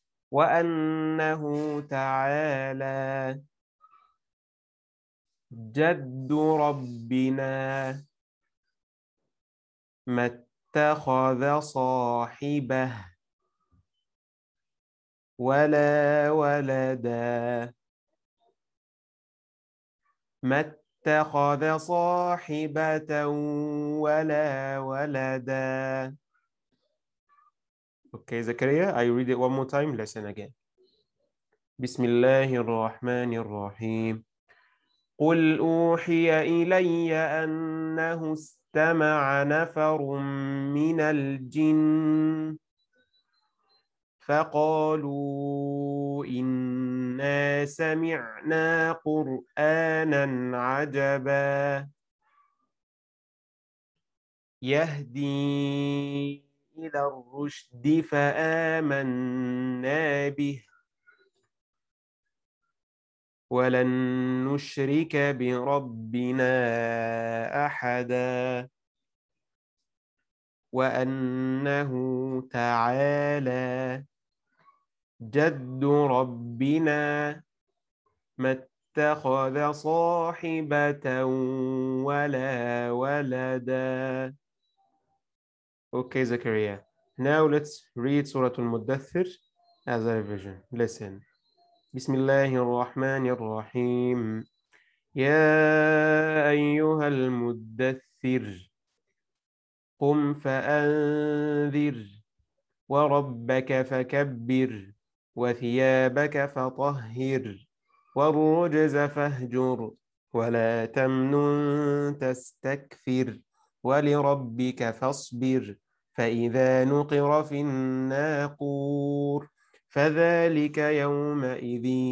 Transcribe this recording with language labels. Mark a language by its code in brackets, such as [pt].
[ar] وأنه تعالى جد ربنا ما اتخذ صاحبة ولا ولدا ما اتخذ صاحبة ولا ولدا. [en] Okay, Zakaria, I read it one more time. Listen again. [ar] بسم الله الرحمن الرحيم قل أوحي إلي أنه استمع نفر من الجن فقالوا إنا سمعنا قرآنا عجبا يهدي إلى الرشد فآمنا به ولن نشرك بربنا أحدا وأنه تعالى جد ربنا ما اتخذ صاحبة ولا ولدا. Okay, Zakaria. [en] Now let's read Surah Al-Muddathir as a revision. Listen. [ar] بسم الله الرحمن الرحيم يا أيها المدثر قم فأنذر وربك فكبر وثيابك فطهر والرجز فاهجر ولا تمنن تستكثر ولربك فاصبر فإذا نقر في الناقور فذلك يومئذ